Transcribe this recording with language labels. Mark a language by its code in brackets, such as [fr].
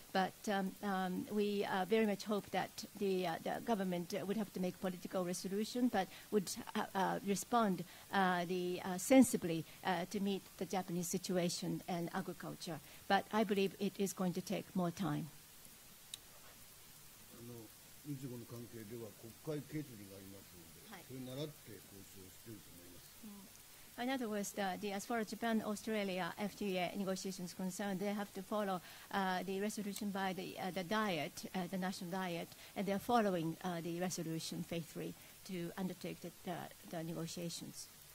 [en] But we very much hope that the government would have to make political resolution, but would respond sensibly to meet the Japanese situation and agriculture. But I believe it is going to take more time. [ja] 日中の関係では国会決議がありますので、それに倣って交渉していると思います。 Mm. [en] In other words, as far as Japan, Australia, FTA negotiations concerned, they have to follow the resolution by the Diet, the National Diet, and they are following the resolution faithfully to undertake the negotiations.